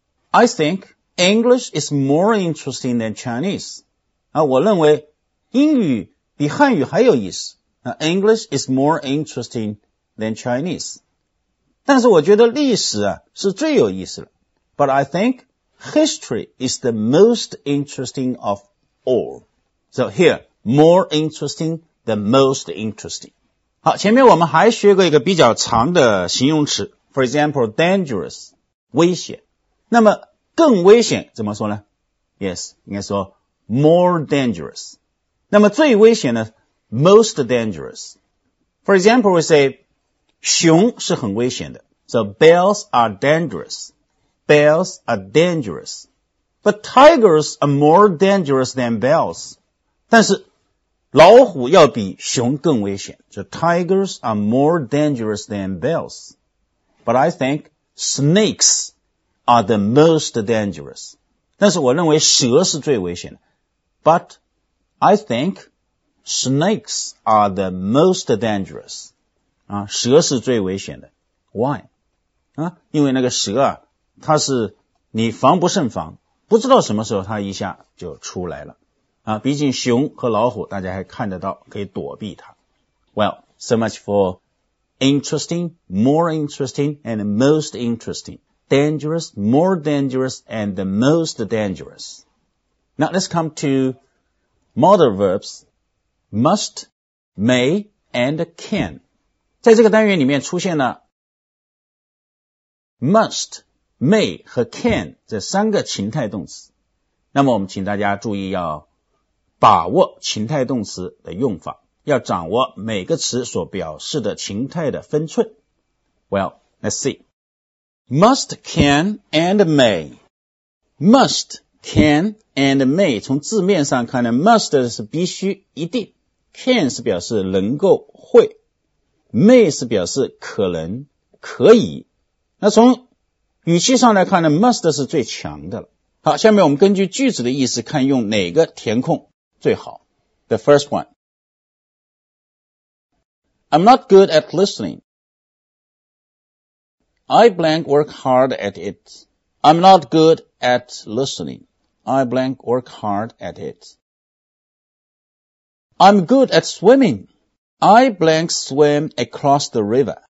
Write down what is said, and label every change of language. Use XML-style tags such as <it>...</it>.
<en>I think English is more interesting than Chinese</en> <zh>啊，我认为英语比汉语还有意思</zh> <en>English is more interesting than Chinese.</en> <zh>但是我觉得历史啊是最有意思的。</zh> <en>But I think history is the most interesting of all. So here, more interesting than most interesting.</en> <zh>好前面我们还学过一个比较长的形容词</zh> <en>For example, dangerous,</en> <zh>危险。那么更危险怎么说呢</zh> <en>Yes,</en> <zh>应该说</zh> <en>more dangerous.</en> <zh>那么最危险呢</zh> <en>Most dangerous. For example, we say,</en> <zh>熊是很危险的。</zh> <en>So, bears are dangerous. Bears are dangerous. But tigers are more dangerous than bears.</en> <zh>但是老虎要比熊更危险。</zh> <en>So, tigers are more dangerous than bears. But I think snakes are the most dangerous.</en> <zh>但是我认为蛇是最危险的。</zh> <en>But I thinksnakes are the most dangerous.</en> <zh>啊蛇是最危险的。</zh> <en>Why?</en> <zh>啊因为那个蛇啊它是你防不胜防不知道什么时候它一下就出来了。啊毕竟熊和老虎大家还看得到可以躲避它。</zh> <en>Well, so much for interesting, more interesting, and most interesting. Dangerous, more dangerous, and the most dangerous. Now let's come to modal verbs. Must, may, and can.</en> <zh>在这个单元里面出现了 must, may 和 can 这三个情态动词。那么我们请大家注意要把握情态动词的用法，要掌握每个词所表示的情态的分寸。</zh> <en>Well, let's see. Must, can, and may. Must, can, and may.</en> <zh>从字面上看呢 must 是必须一定。 Can 是表示能够会 May 是表示可能可以那从语气上来看呢 Must 是最强的了好下面我们根据句子的意思看用哪个填空最好</zh> <en>The first one I'm not good at listening I blank work hard at it I'm not good at listening I blank work hard at itI'm good at swimming. I blank swim across the river.</en>